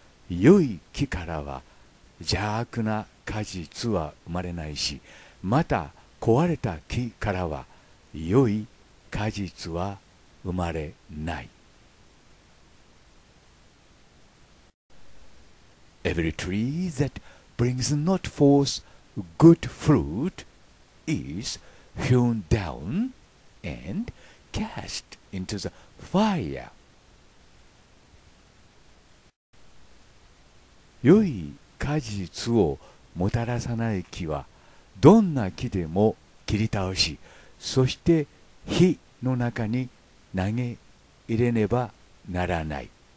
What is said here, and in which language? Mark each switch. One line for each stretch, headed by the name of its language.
Japanese: 良い木からは邪悪な果実は生まれないし、また壊れた木からは良い果実は生まれない。
English: Every tree that brings not forth good fruitis hewn down and cast into the fire.
Japanese: 良い果実をもたらさない木はどんな木でも切り倒し、そして火の中に投げ入れねばならない。